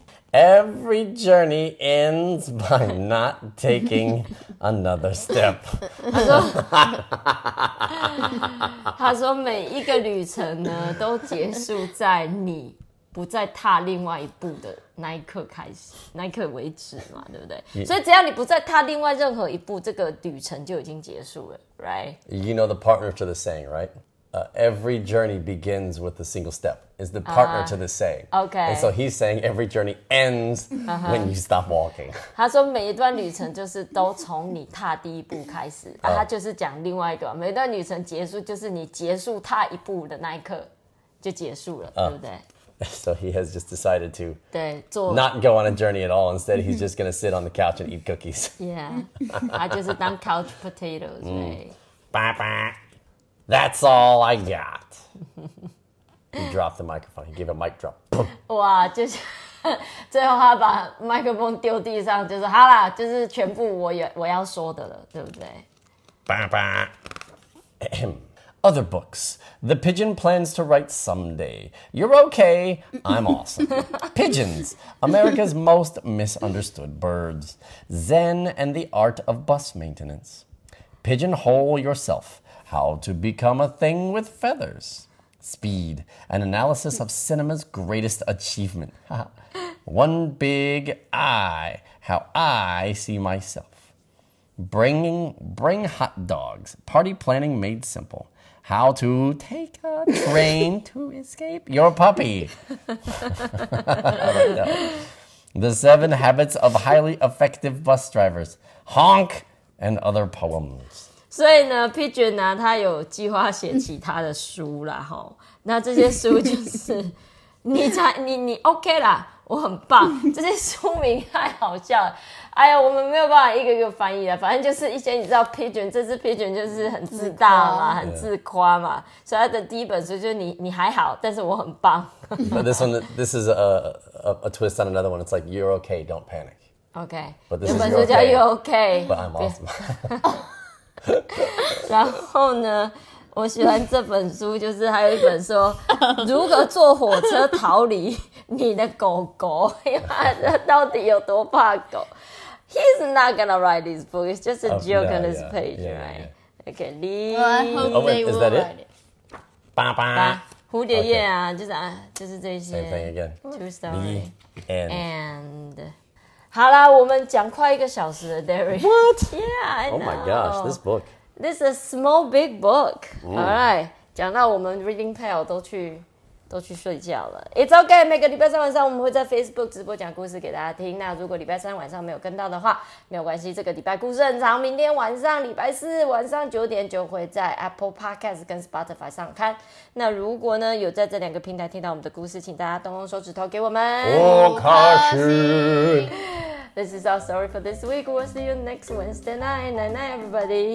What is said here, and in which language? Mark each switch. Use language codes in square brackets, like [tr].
[en] Every journey ends by not taking another step. [zh] 他说每一个旅程呢，都结束在你不再踏另外一步的那一刻开始，那一刻为止嘛，对不对？ [en] Yeah. [zh] 所以只要你不再踏另外任何一步，这个旅程就已经结束了。 [en] Right. You know the partner to the saying, right? Every journey begins with a single step. Is the partner to the saying. Okay. And so he's saying every journey ends when you stop walking. [zh] 他说每一段旅程就是都从你踏第一步开始。他就是讲另外一个，每一段旅程结束就是你结束踏一步的那一刻就结束了，对不对？ [en] So he has just decided to [zh] 对做 [en] not go on a journey at all. Instead, he's just going to sit on the couch and eat cookies. Yeah, I just dump couch potatoes, right? Bah, that's all I got. He dropped the microphone. He gave a mic drop. Wow, [zh] 就是最后他把麦克风丢地上，就是好啦，就是全部我要说的了，对不对？ [en] Other books. The Pigeon plans to write someday. You're okay. I'm awesome. Pigeons. America's most misunderstood birds. Zen and the art of bus maintenance. Pigeonhole yourself. How to become a thing with feathers. Speed. An analysis of cinema's greatest achievement. One big eye. How I see myself. Bring hot dogs. Party planning made simple. How to take a train to escape your puppy. The seven habits of highly effective bus drivers. Honk and other poems. [zh] 所以呢 Pigeon 呢、啊、他有计划写其他的书啦齁。那这些书就是你 OK 啦我很棒。这些书名太好笑了。哎呀我们没有办法一个一个翻译了反正就是一些你知道 Pigeon, 这只 Pigeon 就是很自大嘛自很自夸嘛。所以他的第一本书就是你还好但是我很棒。 [en] But this one, this is a twist on another one. It's like, you're okay, don't panic. Okay. But this is your okay. You're okay. But I'm awesome. [zh] 然后呢我喜欢这本书就是还有一本说如何坐火车逃离你的狗狗因为他到底有多怕狗。 [en] He's not gonna write this book. It's just a joke on his page, right? Okay, Lee. Oh, wait, is that it? 八八 [zh] 蝴蝶叶啊、okay. 就是啊就是这些 [en] Same thing again True story And [zh] 好啦我们讲快一个小时了 Derry [en] What? Yeah I know Oh my gosh This book This is a small big book、mm. [zh] Alright 讲到我们 reading pal 都去睡觉了 [en] It's okay [zh] 每个礼拜三晚上我们会在 Facebook 直播讲故事给大家听那如果礼拜三晚上没有跟到的话没有关系这个礼拜故事很长明天晚上礼拜四晚上九点就会在 Apple Podcast 跟 Spotify 上看那如果呢有在这两个平台听到我们的故事请大家动动手指头给我们我开始 [en] This is our story for this week We'll see you next Wednesday night Night night everybody